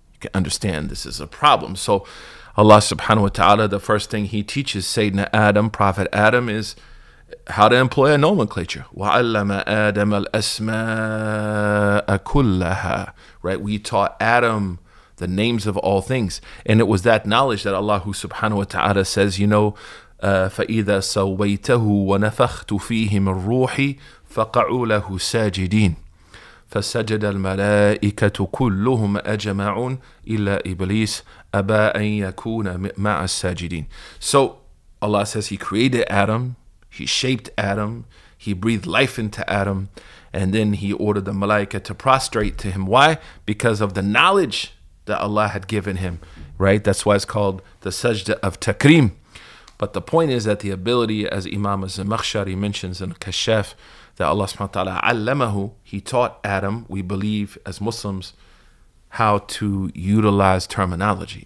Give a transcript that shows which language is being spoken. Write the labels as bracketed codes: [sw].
[en] You can understand this is a problem. So Allah subhanahu wa ta'ala, the first thing he teaches Sayyidina Adam, Prophet Adam, is how to employ a nomenclature. [ar] وَعَلَّمَ آدَمَ الْأَسْمَاءَ كُلَّهَا. [en] Right? We taught Adam the names of all things. And it was that knowledge that Allah subhanahu wa ta'ala says, you know, [ar] فَإِذَا سَوَّيْتَهُ وَنَفَخْتُ فِيهِ مِنْ رُوحِي فَقَعُوا لَهُ سَاجِدِينَ فَسَجَدَ الْمَلَائِكَةُ كُلُّهُمْ أَجَمَعُونَ إِلَّا إِبْلِيسَ أَبَى أَنْ يَكُونَ مَعَ السَّاجِدِينَ. [en] So Allah says he created Adam, he shaped Adam, he breathed life into Adam, and then he ordered the malaika to prostrate to him. Why? Because of the knowledge that Allah had given him, right? That's why it's called the sajda of takrim. But the point is that the ability, as Imam Zamakhshari mentions in Kashaf, that Allah subhanahu wa ta'ala allamahu, he taught Adam, we believe as Muslims, how to utilize terminology.